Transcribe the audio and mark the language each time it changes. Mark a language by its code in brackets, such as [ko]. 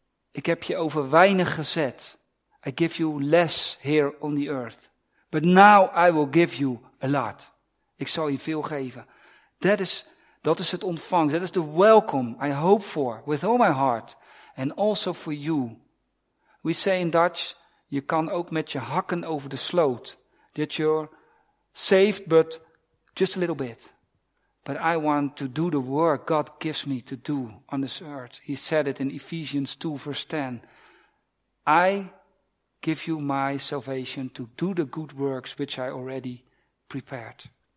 [nl] Ik heb je over weinig gezet. [en] I give you less here on the earth. But now I will give you a lot. [nl] Ik zal je veel geven. Dat is het ontvangst. [en] That is the welcome I hope for with all my heart. And also for you. We say in Dutch, [nl] je kan ook met je hakken over de sloot. [en] That you're saved, but just a little bit. But I want to do the work God gives me to do on this earth. He said it in Ephesians 2 verse 10. I give you my salvation to do the good works which I already prepared.